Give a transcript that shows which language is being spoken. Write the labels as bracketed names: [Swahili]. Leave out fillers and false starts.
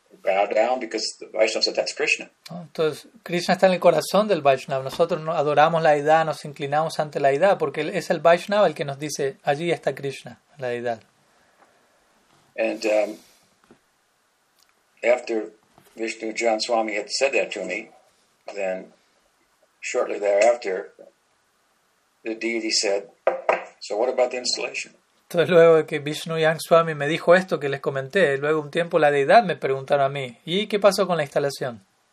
[English] Bow down because the Vaishnava said that's Krishna. [Spanish] Entonces, Krishna está en el corazón del Vaishnava. Nosotros adoramos la deidad, nos inclinamos ante la deidad, porque es el Vaishnava el que nos dice, allí está Krishna, la deidad. [English] And after Vishnu John Swami had said that to me, then shortly thereafter, the deity said, "So what about the installation?" [Spanish] Entonces luego de que Vishnu Yang Swami me dijo esto que les comenté, luego un tiempo la deidad me preguntaron a mí, ¿y qué pasó con la instalación?